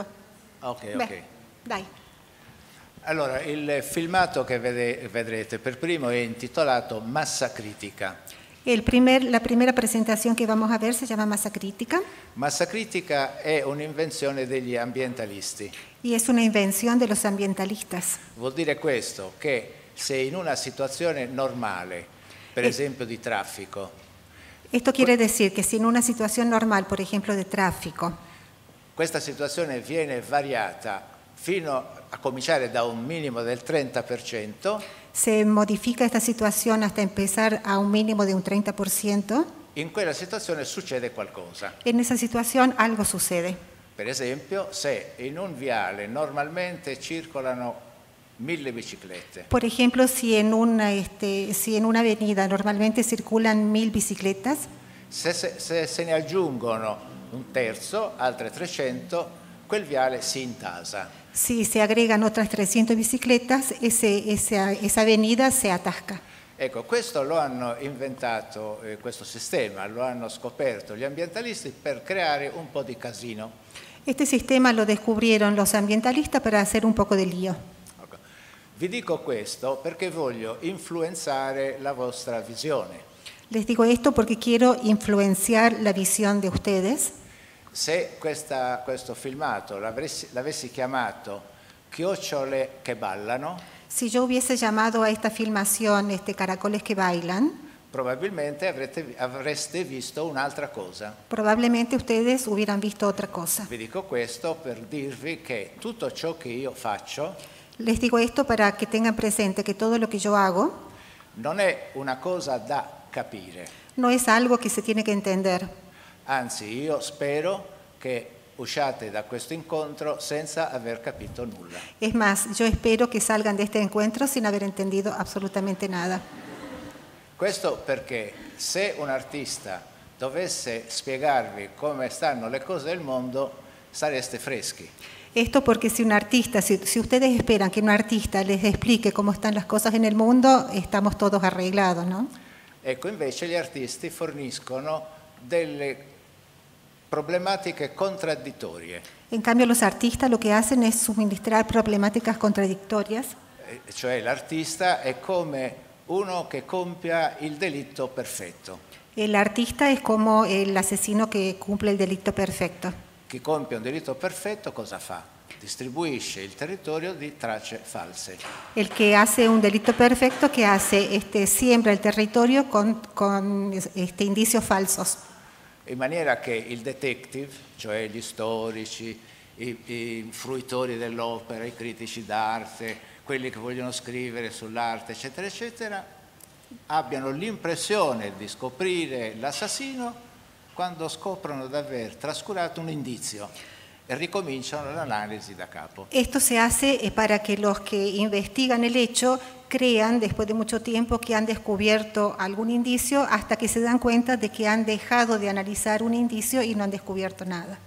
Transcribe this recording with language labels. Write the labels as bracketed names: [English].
[Italian] Sì. Ok, ok. Beh, dai. Allora, il filmato che vedrete per primo è intitolato Massa Critica. La prima presentazione che [Spanish] vamos a ver [Italian] si chiama Massa Critica. Massa Critica è un'invenzione degli ambientalisti. [Spanish] Y es una invención de los ambientalistas. [Italian] Vuol dire questo, che se in una situazione normale, per esempio di traffico. [Spanish] Esto quiere decir que si en una situación normal, por ejemplo de tráfico. [Italian] Questa situazione viene variata fino a cominciare da un minimo del 30%. [Spanish] Se modifica [Italian] questa situazione [Spanish] hasta empezar a un [Italian] minimo di un [Spanish] 30%. [Italian] In quella situazione succede qualcosa. [Spanish] En esa situación algo sucede. [Italian] Per esempio, se in un viale normalmente circolano 1000 biciclette. [Spanish] Por ejemplo, si en una si en una avenida normalmente circulan 1000 bicicletas. [Italian] Se ne aggiungono un terzo, altre 300, quel viale si intasa. [Spanish] Si se agregan otras 300 bicicletas, esa avenida se atasca. [Italian] Ecco, questo lo hanno inventato, questo sistema lo hanno scoperto gli ambientalisti per creare un po' di casino. [Spanish] Este sistema lo descubrieron los ambientalistas para hacer un poco de lío. [English] Okay. [Italian] Vi dico questo perché voglio influenzare la vostra visione. [Spanish] Les digo esto porque quiero influenciar la visión de ustedes. [Italian] Se questo filmato l'avessi chiamato Chiocciole che ballano, [Spanish] si yo hubiese llamado a esta filmación Caracoles que bailan, [Italian] probabilmente avreste visto un'altra cosa. [Spanish] Probablemente ustedes hubieran visto otra cosa. [Italian] Vi dico questo per dirvi che tutto ciò che io faccio. [Spanish] Les digo esto para que tengan presente que todo lo que yo hago [Italian] non è una cosa da capire. [Spanish] No es algo que se tiene que entender. [Italian] Anzi, io spero che usciate da questo incontro senza aver capito nulla. [Spanish] Es más, yo espero que salgan de este encuentro sin haber entendido absolutamente nada. [Italian] Questo perché se un artista dovesse spiegarvi come stanno le cose del mondo, sareste freschi. [Spanish] Esto porque si un artista, si ustedes esperan que un artista les explique cómo están las cosas en el mundo, estamos todos arreglados, ¿no? [Italian] Ecco, invece gli artisti forniscono delle problematiche contraddittorie. [Spanish] En cambio los artistas lo que hacen es suministrar problemáticas contradictorias. [Italian] Cioè l'artista è come uno che compia il delitto perfetto. [Spanish] El artista es como el asesino que cumple el delito perfecto. [Italian] Chi compie un delitto perfetto cosa fa? Distribuisce il territorio di tracce false. [Spanish] El que hace un delito perfecto que hace siembra el territorio con indicios falsos. [Italian] in maniera che il detective, cioè gli storici, i fruitori dell'opera, i critici d'arte, quelli che vogliono scrivere sull'arte, eccetera, eccetera, abbiano l'impressione di scoprire l'assassino quando scoprono di aver trascurato un indizio e ricominciano l'analisi da capo. [Spanish] Esto se hace para que los que investigan el hecho crean después de mucho tiempo que han descubierto algún indicio hasta que se dan cuenta de que han dejado de analizar un indicio y no han descubierto nada.